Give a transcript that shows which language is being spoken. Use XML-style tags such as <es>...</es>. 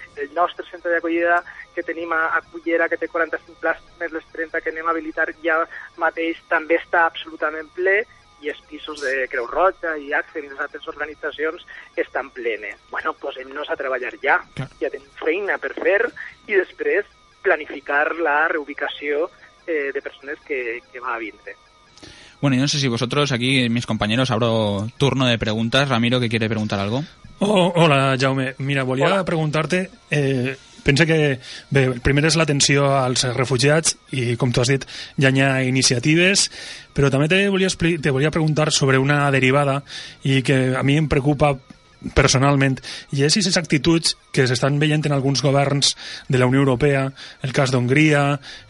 <ca>El nostre centre d'acollida que tenim a Cullera, que té 45 places més les 30 que anem a habilitar ja mateix, també està absolutament ple, i els pisos de Creu Roja i Accent i les altres organitzacions estan plenes. Bueno, posem-nos a treballar ja. Ja tenim feina per fer, i després planificar la reubicació de persones que va a vindre.</ca> <es>Bueno, yo no sé si vosotros, aquí mis compañeros, abro turno de preguntas. Ramiro, ¿que quiere preguntar algo?</es> <ca>Hola, Jaume. Mira, volia preguntar-te... Pensa que, bé, primer és l'atenció als refugiats i, com tu has dit, ja hi ha iniciatives, però també te volia preguntar sobre una derivada i que a mi em preocupa personalment, i és aquestes actituds que s'estan veient en alguns governs de la Unió Europea, el cas d'Hongria,</ca>